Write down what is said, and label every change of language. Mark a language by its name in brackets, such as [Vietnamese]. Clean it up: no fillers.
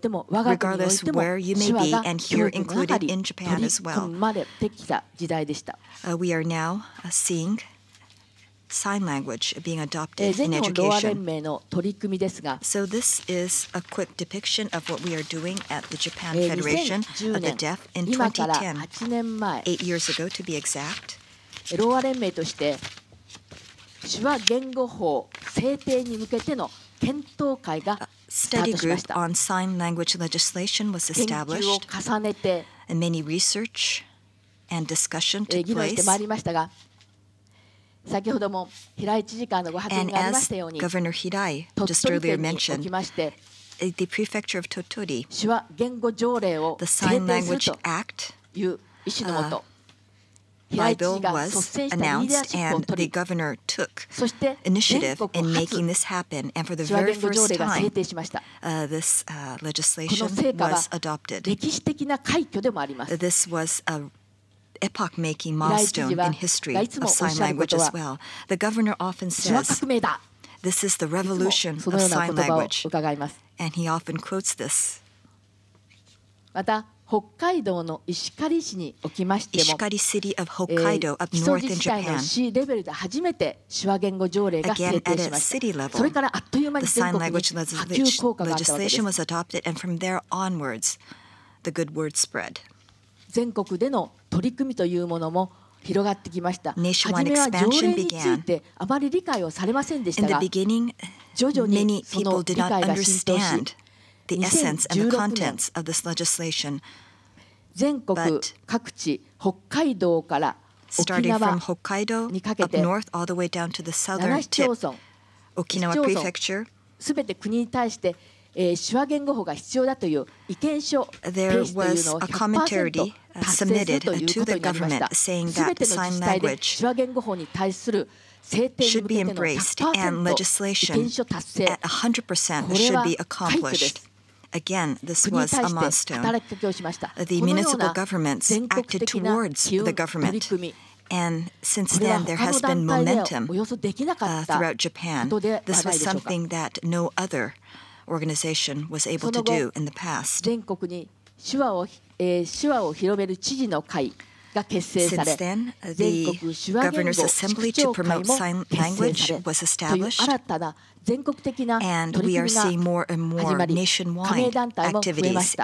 [English] Regardless where you may be, and here included in Japan as well, we are now seeing sign language being adopted in education. So this is a quick depiction of what we are doing at the Japan Federation of the Deaf in 2010, 8 years ago to be exact. [Japanese] ロア連盟として手話言語法制定に向けての検討会がスタートしました。 [English] A study group on sign language legislation was established. [Japanese] 研究を重ねて、 [English] And many research and discussion took place. [Japanese] 議論してまいりましたが、先ほども平井知事からのご発言がありましたように、 [English] Governor Hirai just earlier mentioned, the Prefecture of Tottori, [Japanese] 手話言語条例を制定すると、 [English] The Sign Language Act [Japanese] いう意思のもと、平井知事が率先したリーダーシップを取り、 [English] governor took [Japanese] そして全国初、地方選挙条例が制定しました。この成果は歴史的な快挙でもあります。 [English] This was aEpoch-making milestone in history of sign language as well. The governor often says, "This is the revolution of sign language." And he often quotes this. [Japanese] また北海道の石狩市におきましても、石狩 [English] city of Hokkaido up north in Japan, [Japanese] 基礎自治体の市レベルで初めて手話言語条例が制定しました。それからあっという間に全国に波及効果があったわけです。 [English] Legislation was adopted, and from there onwards, the good word spread. [Japanese] 全国での取り組みというものも広がってきました。初めは条例についてあまり理解をされませんでしたが、徐々にその理解が浸透し、2016年、全国各地、北海道から沖縄にかけて、7市町村、すべて国に対して、手話言語法が必要だという意見書というのを 100%達成するということになりました。全ての自治体で手話言語法に対する制定に向けての 100% 意見書達成。これは快挙です。 [English] Again, this was a milestone. The municipal governments acted towards the government. And since then, there has been momentum throughout Japan. This was something that no other organization was able to do in the past. [Japanese] 全国に手話を広める知事の会が結成され、全国手話言語市区長会も結成され、という新たな全国的な取り組みが始まり、加盟団体も増えました。